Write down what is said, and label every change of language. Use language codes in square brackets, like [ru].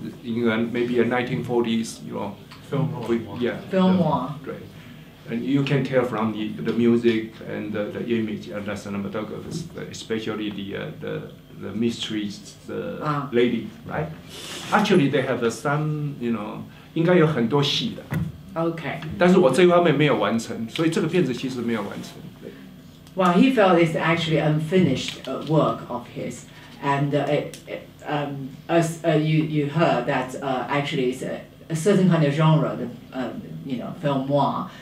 [en] In a maybe a 1940s, you know, film noir. Right, and you can tell from the music and the image and the cinematographers, especially the mysteries, the lady, right? Actually, they have some, you know, [zh] 应该有很多戏的。 [en] Okay. [zh] 但是我这方面没有完成，所以这个片子其实没有完成。 [en] Well, he felt it's actually unfinished work of his, and you heard that actually it's a certain kind of genre, the you know, film noir.